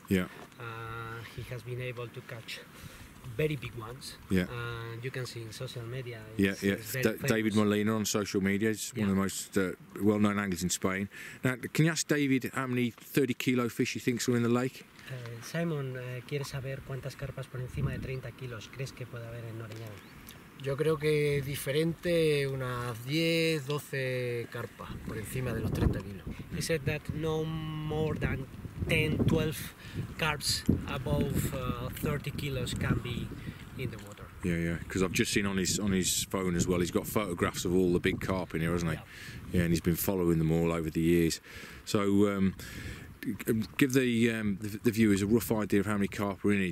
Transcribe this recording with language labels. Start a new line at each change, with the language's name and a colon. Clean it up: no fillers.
English: Yeah. He has been able to catch very big ones. Yeah. And you can see in social media. Yeah, yeah. David Molina on social media is one of the most well-known anglers in Spain. Now, can you ask David how many 30-kilo fish he thinks are in the lake?
Spanish: Simon, ¿quieres saber cuántas carpas por encima de 30 kilos crees que puede haber en Orellana? Yo creo que diferente unas 10, 12 carpas por encima de los 30 kilos.
English: He said that no more than 10, 12 carps above 30 kilos can be in the water. Yeah, yeah, because I've just seen on his phone as well, he's got photographs of all the big carp in here, hasn't he? Yeah, yeah, and he's been following them all over the years. So, give the viewers a rough idea of how many carp are in here.